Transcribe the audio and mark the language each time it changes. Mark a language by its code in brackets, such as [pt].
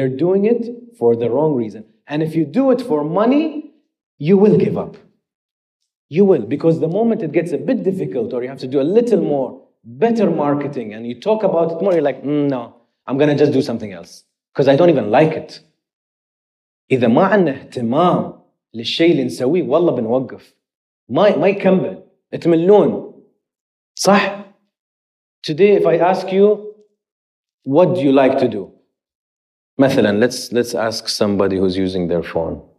[en] They're doing it for the wrong reason. And if you do it for money, you will give up. You will, because the moment it gets a bit difficult or you have to do a little more, better marketing, and you talk about it more, you're like, no, I'm going to just do something else because I don't even like it. [ar] إذا ما عنا اهتمام للشيء اللي نسويه والله بنوقف. ما يكمل. اتملون. صح؟ [en] Today, if I ask you, what do you like to do? مثلا, let's ask somebody who's using their phone.